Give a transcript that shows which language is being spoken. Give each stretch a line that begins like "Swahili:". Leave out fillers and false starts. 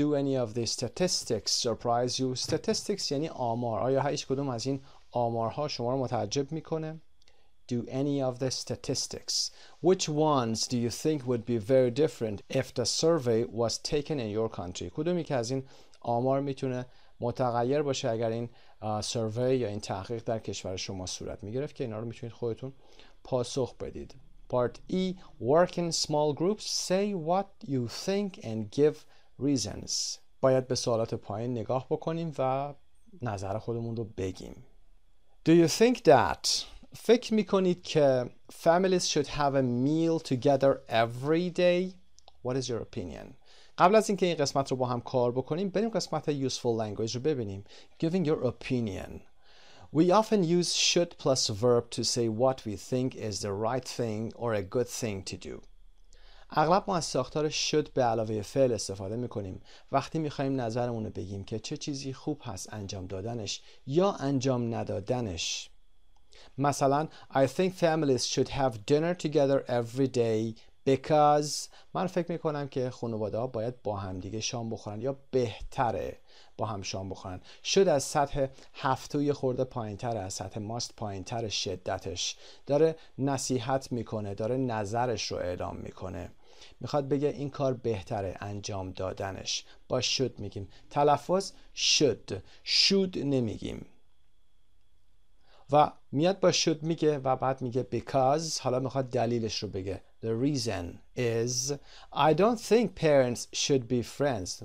English: do any of the statistics surprise you؟
Persian: statistics یعنی آمار، آیا هیچ کدوم از این آمارها شما رو متعجب میکنه؟
English: do any of the statistics which ones do you think would be very different if the survey was taken in your country؟
Persian: کدومی که از این آمار میتونه متغیر باشه اگر این سروی یا این تحقیق در کشور شما صورت میگرفت، که اینا رو میتونید خودتون پاسخ بدید.
English: Part E: Work in small groups. Say what you think and give reasons.
Persian: باید به سوالات پایین نگاه بکنیم و نظر خودمون رو بگیم.
English: Do you think that
Persian: فکر میکنید که
English: families should have a meal together every day? What is your opinion؟
Persian: قبل از اینکه این قسمت رو با هم کار بکنیم، بریم قسمت useful language رو ببینیم.
English: Giving your opinion. We often use should plus verb to say what we think is the right thing or a good thing to do.
Persian: اغلب ما از ساختار should به علاوه فعل استفاده میکنیم وقتی میخواییم نظرمونو بگیم که چه چیزی خوب هست انجام دادنش یا انجام ندادنش. مثلا
English: I think families should have dinner together every day because
Persian: من فکر میکنم که خانواده ها باید با هم دیگه شام بخورن یا بهتره با هم شام بخورن. should از سطح هفتو یه خورده پایین تر از سطح must پایین تر شدتش. داره نصیحت میکنه، داره نظرش رو اعلام میکنه، میخواد بگه این کار بهتره انجام دادنش. با should میگیم. تلفظ should، should نمیگیم. و میاد با should میگه و بعد میگه because، حالا میخواد دلیلش رو بگه.
English: The reason is I don't think parents should be friends.